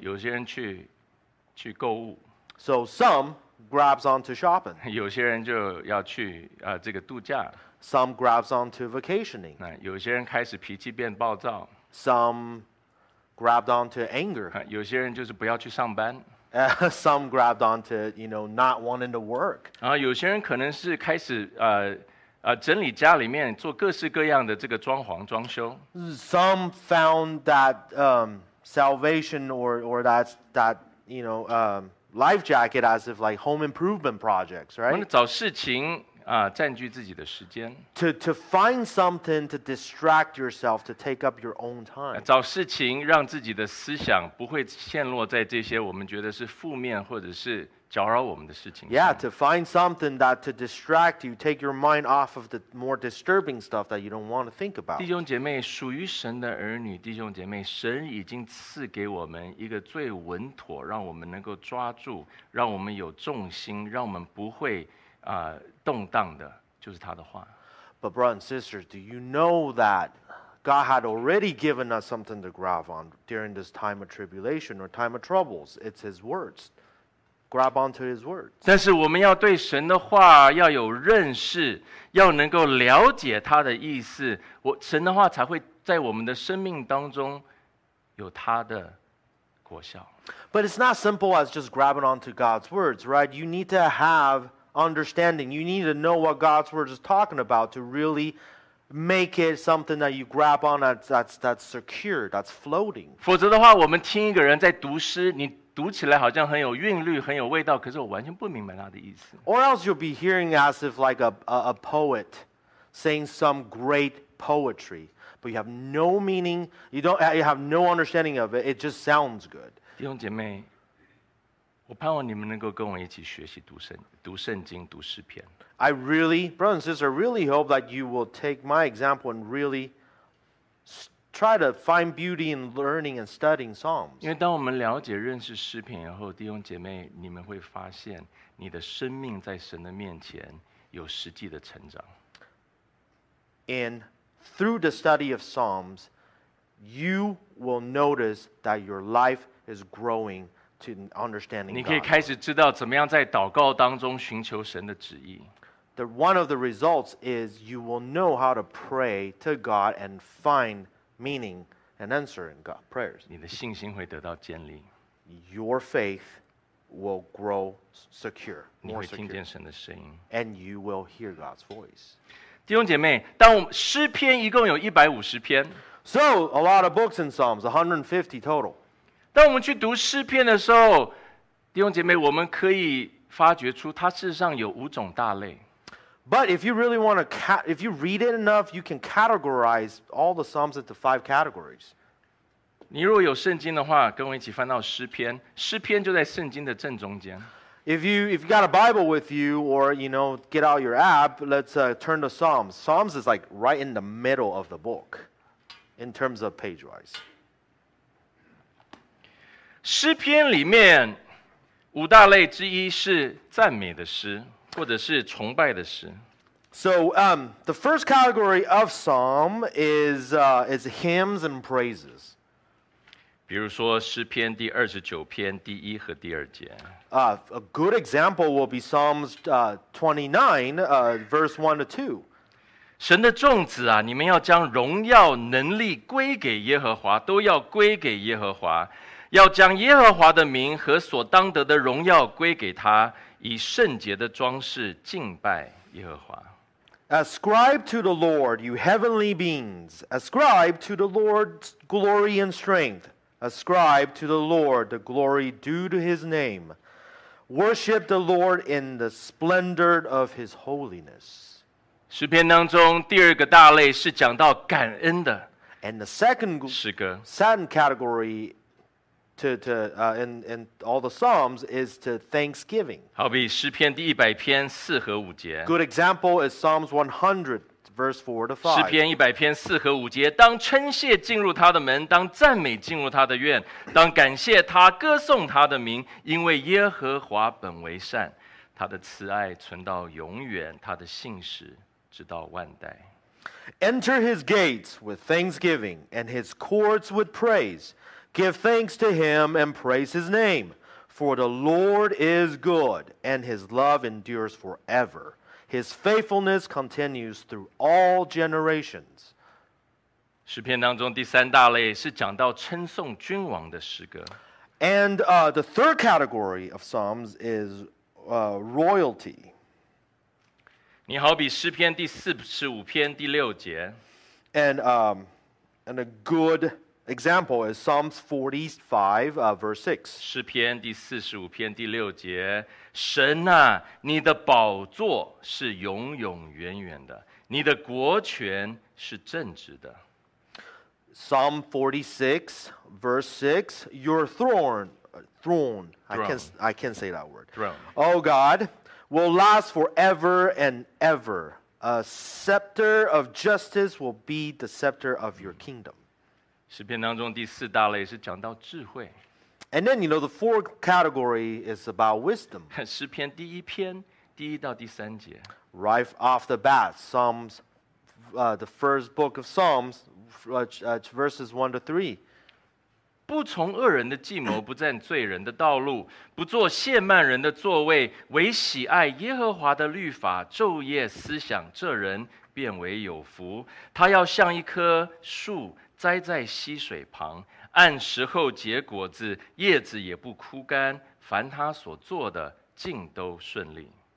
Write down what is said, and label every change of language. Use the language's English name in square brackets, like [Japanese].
[Chinese] 有些人去购物。 [English] So some grabs onto shopping. [Chinese] 有些人就要去这个度假。 [English] Some grabs onto vacationing. [Chinese] 有些人开始脾气变暴躁。 [English] Some grabbed onto anger. [Chinese] 有些人就是不要去上班。 [English] Some grabbed onto, you know, not wanting to work. [Chinese] 然后有些人可能是开始整理家里面做各式各样的这个装潢装修。 [English] Some found that salvation or that you know life jacket as if like home improvement projects, right? [Chinese] 我们找事情。占据自己的时间。 [English] To find something to distract yourself, to take up your own time. [Chinese] 找事情让自己的思想不会陷落在这些我们觉得是负面或者是搅扰我们的事情。 [English] Yeah, to find something that to distract you, take your mind off of the more disturbing stuff that you don't want to think about. [Chinese] 弟兄姐妹，属于神的儿女，弟兄姐妹，神已经赐给我们一个最稳妥，让我们能够抓住，让我们有重心，让我们不会动荡的就是他的话。 [English] But brothers and sisters, do you know that God had already given us something to grab on during this time of tribulation or time of troubles? It's His words. Grab onto His words. [Chinese] 但是我们要对神的话要有认识，要能够了解他的意思，神的话才会在我们的生命当中有他的果效。 [English] But it's not simple as just grabbing onto God's words, right? You need to have understanding. You need to know what God's word is talking about to really make it something that you grab on that's secure, that's floating. [Chinese] 否则的话，我们听一个人在读诗，你读起来好像很有韵律，很有味道，可是我完全不明白他的意思。 [English] Or else you'll be hearing as if like a poet saying some great poetry, but you have no meaning. You have no understanding of it. It just sounds good. [Chinese] 弟兄姐妹。我盼望你们能够跟我一起学习读圣经、读诗篇。 [English] I really, brothers and sisters, I really hope that you will take my example and really try to find beauty in learning and studying Psalms. [Chinese] 因为当我们了解、认识诗篇以后，弟兄姐妹，你们会发现你的生命在神的面前有实际的成长。 [English] And through the study of Psalms, you will notice that your life is growing. To understanding God. [Chinese] 你可以开始知道怎么样在祷告当中寻求神的旨意。 [English] The one of the results is you will know how to pray to God and find meaning and answer in God prayers. [Chinese] 你的信心会得到建立。 [English] Your faith will grow secure. [Chinese] 你会听见神的声音。 [English] And you will hear God's voice. [Chinese] 弟兄姐妹，当我们诗篇一共有150篇。 [English] So a lot of books and Psalms, 150 total. [Chinese] 当我们去读诗篇的时候，弟兄姐妹，我们可以发掘出它事实上有五种大类。 [English] But if you really want to if you read it enough, you can categorize all the psalms into five categories. [Chinese] 你如果有圣经的话，跟我一起翻到诗篇。诗篇就在圣经的正中间。 [English] If you got a Bible with you, or you know, get out your app, let's turn to Psalms. Psalms is like right in the middle of the book, in terms of page wise. [Chinese] 诗篇里面五大类之一是赞美的诗，或者是崇拜的诗。 [English] So, the first category of psalm is hymns and praises. [Chinese] 比如说诗篇第二十九篇第一和第二节。 [English] A good example will be Psalms 29, verse 1 to 2. [Chinese] 神的众子啊，你们要将荣耀能力归给耶和华，都要归给耶和华。要将耶和华的名和所当得的荣耀归给他，以圣洁的装饰敬拜耶和华。 [English] Ascribe to the Lord, you heavenly beings. Ascribe to the Lord glory and strength. Ascribe to the Lord the glory due to His name. Worship the Lord in the splendor of His holiness. [Chinese] 诗篇当中第二个大类是讲到感恩的。 [English] And the second category in all the Psalms is to thanksgiving. [Chinese] 好比诗篇第一百篇四和五节。 [English] Good example is Psalms 100. Verse 4 to 5. [Chinese] 诗篇一百篇四和五节，当称谢进入他的门，当赞美进入他的院，当感谢他，歌颂他的名，因为耶和华本为善，他的慈爱存到永远，他的信实直到万代。 [English] Enter his gates with thanksgiving and his courts with praise. Give thanks to him and praise his name. For the Lord is good and his love endures forever. His faithfulness continues through all generations. [Chinese] 诗篇当中第三大类是讲到称颂君王的诗歌。 [English] And the third category of psalms is royalty. [Chinese] 你好比诗篇第四十五篇第六节。 [English] And a good example is Psalms 45, verse 6. [Chinese] 诗篇第四十五篇第六节。神啊，你的宝座是永永远远的，你的国权是正直的。 [English] Psalm 46, verse 6, your throne, oh God, will last forever and ever. A scepter of justice will be the scepter of your kingdom. [Chinese] 诗篇当中第四大类是讲到智慧。 [English] And then, you know, the fourth category is about wisdom. [Chinese] 诗篇第一篇第一到第三节。 [English] Right off the bat, Psalms, the first book of Psalms, verses 1 to 3. [Chinese] 不从恶人的计谋，不占罪人的道路，不坐亵慢人的座位，唯喜爱耶和华的律法，昼夜思想，这人变为有福。他要像一棵树栽在溪水旁。按时候结果子，叶子也不枯干，凡他所做的尽都顺利。